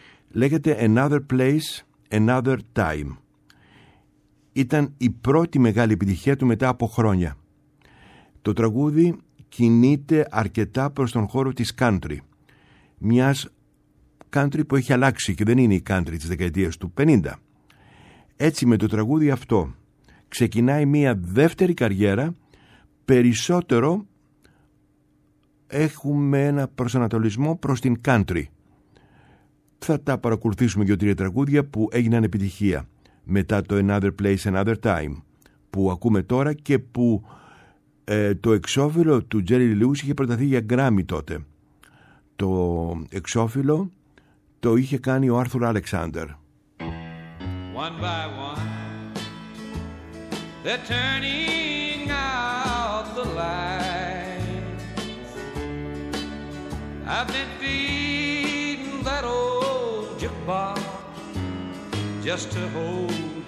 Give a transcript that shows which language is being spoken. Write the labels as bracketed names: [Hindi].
[Greek] Λέγεται «Another Place, Another Time». Ήταν η πρώτη μεγάλη επιτυχία του μετά από χρόνια. Το τραγούδι κινείται αρκετά προς τον χώρο της country, μιας country που έχει αλλάξει και δεν είναι η country της δεκαετίας του 50. Έτσι με το τραγούδι αυτό ξεκινάει μια δεύτερη καριέρα, περισσότερο έχουμε ένα προσανατολισμό προς την country. Θα τα παρακολουθήσουμε δύο-τρία τραγούδια που έγιναν επιτυχία μετά το Another Place, Another Time που ακούμε τώρα και που το εξώφυλλο του Jerry Lee Lewis είχε προταθεί για Grammy τότε. Το εξώφυλλο το είχε κάνει ο Arthur Alexander. [English] One by one they're turning out the lights. I've been beating that old jukebox just to hold.